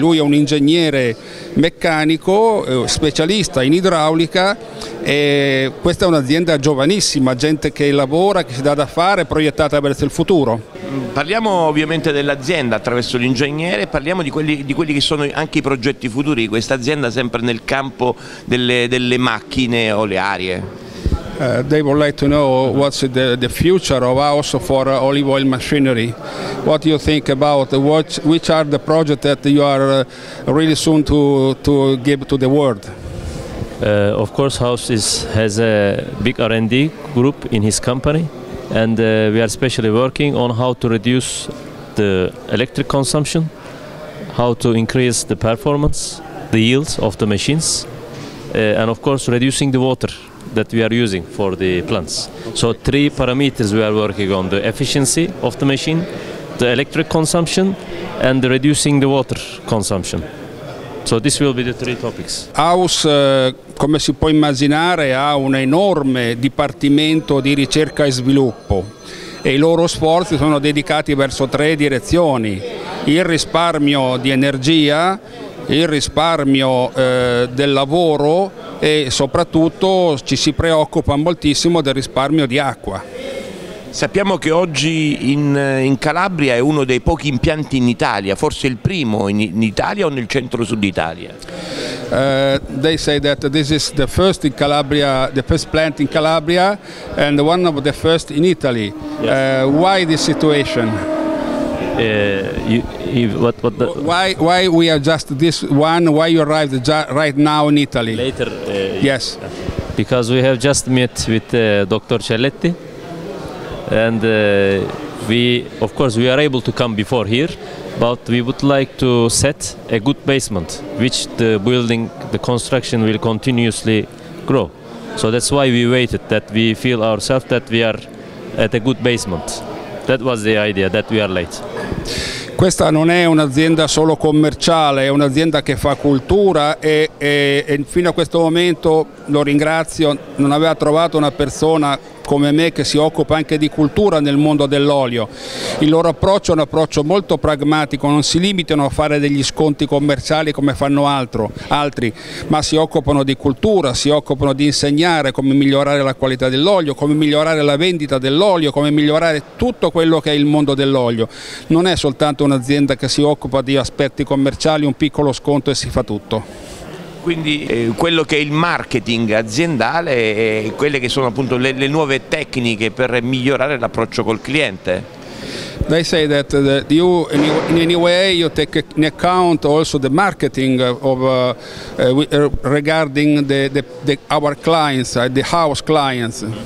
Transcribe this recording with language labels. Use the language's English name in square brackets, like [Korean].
[Italian] Lui è un ingegnere meccanico, specialista in idraulica, e questa è un'azienda giovanissima, gente che lavora, che si dà da fare, proiettata verso il futuro. Parliamo ovviamente dell'azienda attraverso l'ingegnere, parliamo di quelli che sono anche i progetti futuri di questa azienda, sempre nel campo delle macchine olearie. [English] They would like to know what's the future of ours for olive oil machinery. What do you think about which are the projects that you are really soon to give to the world? Of course, House has a big R&D group in his company, and we are especially working on how to reduce the electric consumption, how to increase the performance, the yields of the machines, and of course reducing the water that we are using for the plants. So three parameters we are working on: the efficiency of the machine, the electric consumption, and the reducing the water consumption. So this will be the three topics. [Italian] House, come si può immaginare, ha un enorme dipartimento di ricerca e sviluppo, e i loro sforzi sono dedicati verso tre direzioni: il risparmio di energia, il risparmio del lavoro, e soprattutto ci si preoccupa moltissimo del risparmio di acqua. Sappiamo che oggi in Calabria è uno dei pochi impianti in Italia, forse il primo in Italia o nel centro-sud Italia. [English] They say that this is the first in Calabria, the first plant in Calabria and one of the first in Italy. Yes. Why this situation? Why we are just this one? Why you arrived right now in Italy? Later. Yes. Because we have just met with Dr. Celletti, and we are able to come before here, but we would like to set a good basement, which the building, the construction will continuously grow. So that's why we waited, that we feel ourselves that we are at a good basement. That was the idea that we are late. [Italian] Questa non è un'azienda solo commerciale, è un'azienda che fa cultura, e fino a questo momento, lo ringrazio, non aveva trovato una persona come me che si occupa anche di cultura nel mondo dell'olio. Il loro approccio è un approccio molto pragmatico, non si limitano a fare degli sconti commerciali come fanno altri, ma si occupano di cultura, si occupano di insegnare come migliorare la qualità dell'olio, come migliorare la vendita dell'olio, come migliorare tutto quello che è il mondo dell'olio. Non è soltanto un'azienda che si occupa di aspetti commerciali, un piccolo sconto e si fa tutto. Quindi quello che è il marketing aziendale e quelle che sono appunto le nuove tecniche per migliorare l'approccio col cliente. [English] They say that you, in any way, you take in account also the marketing of regarding the our clients, the house clients.